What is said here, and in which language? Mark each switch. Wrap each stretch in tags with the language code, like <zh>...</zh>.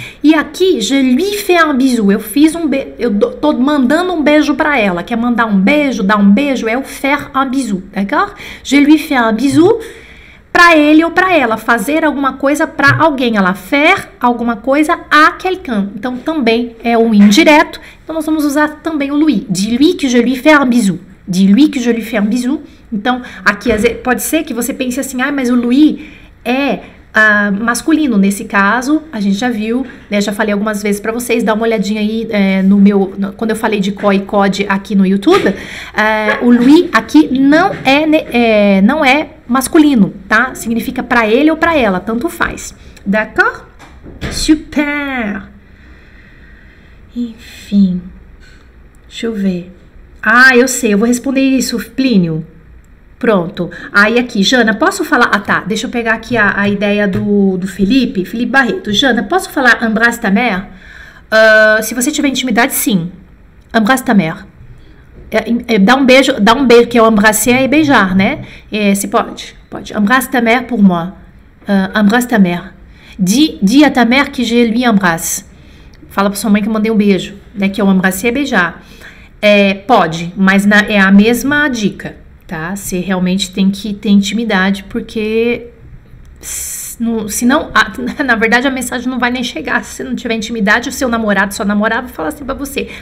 <pt>E aqui, je lui fais un bisou, eu fiz um beijo, eu tô mandando um beijo pra ela, que é mandar um beijo, dar um beijo, é o faire un bisou, d'accord? Je lui fais un bisou. Para ele ou para ela, fazer alguma coisa para alguém, ela faire alguma coisa a quelqu'un. Então também é um indireto. Então nós vamos usar também o lui.</pt> <fr>Dis-lui que je lui fais un bisou. Dis-lui que je lui fais un bisou.</fr> <pt>Então aqui pode ser que você pense assim, ah, mas o lui é masculino. Nesse caso, a gente já viu, né, já falei algumas vezes para vocês, dá uma olhadinha aí no meu. No, quando eu falei de COI e CODE aqui no YouTube, o lui aqui não é masculino, tá? Significa para ele ou para ela, tanto faz. D'accord? Super! Enfim. Deixa eu ver. Ah, eu sei, eu vou responder isso, Plínio. Pronto. Aí aqui, Jana, posso falar? Ah, tá. Deixa eu pegar aqui a ideia do Felipe. Felipe Barreto. Jana, posso falar embrasse ta mère? Se você tiver intimidade, sim. Embrasse ta mère. Dá um beijo, que é o embrasser e beijar, né? Se pode. Pode.</pt> <fr>Embrasse ta mère pour moi. Embrasse ta mère. Dis à ta mère que je lui embrasse.</fr> <pt>Fala pra sua mãe que eu mandei um beijo, né? Que é o embrasser e beijar. Pode, mas é a mesma dica, tá? Você realmente tem que ter intimidade, porque se não, na verdade a mensagem não vai nem chegar. Se não tiver intimidade, o seu namorado, sua namorada, fala assim pra você.</pt>